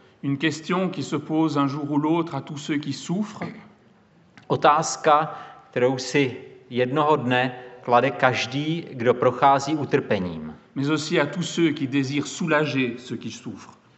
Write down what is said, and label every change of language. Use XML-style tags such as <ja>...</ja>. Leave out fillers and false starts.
<fr>Une question qui se pose un jour ou l'autre à tous ceux qui souffrent.</fr> <cs>Otázka, kterou si jednoho dne klade každý, kdo prochází utrpením.</cs> <fr>Mais aussi à tous ceux qui désirent soulager ceux qui souffrent.</fr>